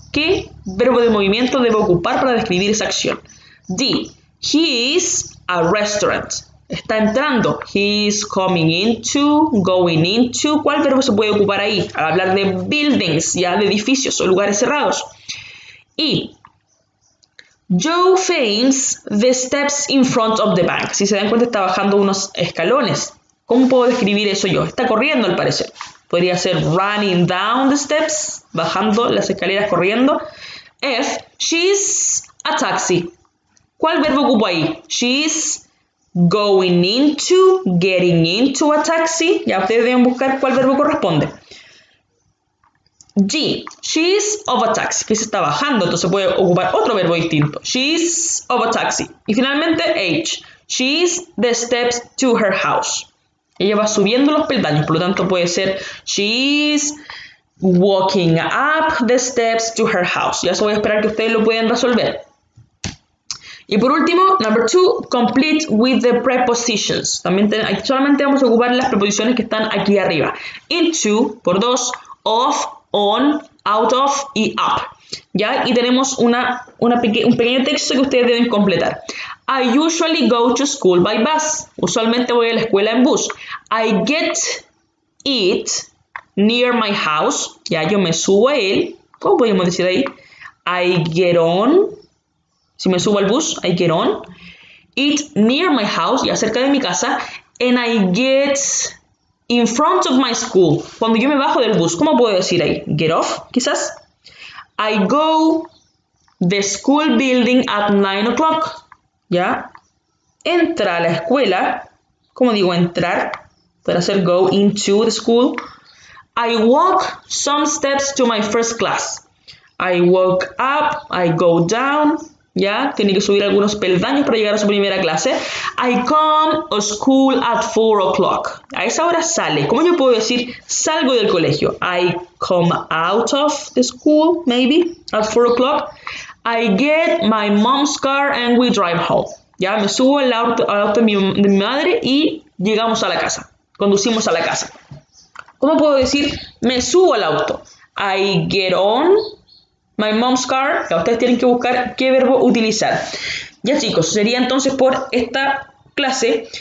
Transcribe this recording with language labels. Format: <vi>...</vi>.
<es>¿Qué verbo de movimiento debo ocupar para describir esa acción?</es> <en>D, he's a restaurant.</en> <es>Está entrando.</es> <en>He's coming into, going into.</en> <es>¿Cuál verbo se puede ocupar ahí? Al hablar de buildings, ya de edificios o lugares cerrados.</es> <en>E, Joe faints the steps in front of the bank.</en> <es>Si se dan cuenta, está bajando unos escalones. ¿Cómo puedo describir eso yo? Está corriendo, al parecer. Podría ser</es> <en>running down the steps,</en> <es>bajando las escaleras corriendo. F,</es> <en>she's a taxi.</en> <es>¿Cuál verbo ocupo ahí?</es> <en>She's going into, getting into a taxi.</en> <es>Ya ustedes deben buscar cuál verbo corresponde. G,</es> <en>she's of a taxi,</en> <es>que se está bajando, entonces puede ocupar otro verbo distinto.</es> <en>She's of a taxi.</en> <es>Y finalmente</es> <en>H, she's the steps to her house.</en> <es>Ella va subiendo los peldaños, por lo tanto puede ser</es> <en>she's walking up the steps to her house.</en> <es>Ya eso voy a esperar que ustedes lo puedan resolver. Y por último,</es> <en>number 2, complete with the prepositions.</en> <es>También solamente vamos a ocupar las preposiciones que están aquí arriba.</es> <en>Into, por 2, of, on, out of y up. ¿Ya?</en> <es>Y tenemos un pequeño texto que ustedes deben completar.</es> <en>I usually go to school by bus.</en> <es>Usualmente voy a la escuela en bus.</es> <en>I get it near my house.</en> <es>Ya yo me subo a él. ¿Cómo podemos decir ahí?</es> <en>I get on.</en> <es>Si me subo al bus,</es> <en>I get on. It near my house,</en> <es>ya cerca de mi casa.</es> <en>And I get in front of my school.</en> <es>Cuando yo me bajo del bus, ¿cómo puedo decir ahí?</es> <en>Get off,</en> <es>quizás.</es> <en>I go the school building at 9 o'clock. ¿Ya?</en> <es>Entra a la escuela. ¿Cómo digo entrar? Puede hacer</es> <en>go into the school. I walk some steps to my first class. I walk up. I go down. ¿Ya?</en> <es>Tiene que subir algunos peldaños para llegar a su primera clase.</es> <en>I come to school at 4 o'clock.</en> <es>A esa hora sale. ¿Cómo yo puedo decir salgo del colegio?</es> <en>I come out of the school, maybe, at 4 o'clock. I get my mom's car and we drive home.</en> <es>Ya, me subo al auto de mi madre y llegamos a la casa. Conducimos a la casa. ¿Cómo puedo decir me subo al auto?</es> <en>I get on my mom's car.</en> <es>Ya, ustedes tienen que buscar qué verbo utilizar. Ya, chicos, sería entonces por esta clase.</es>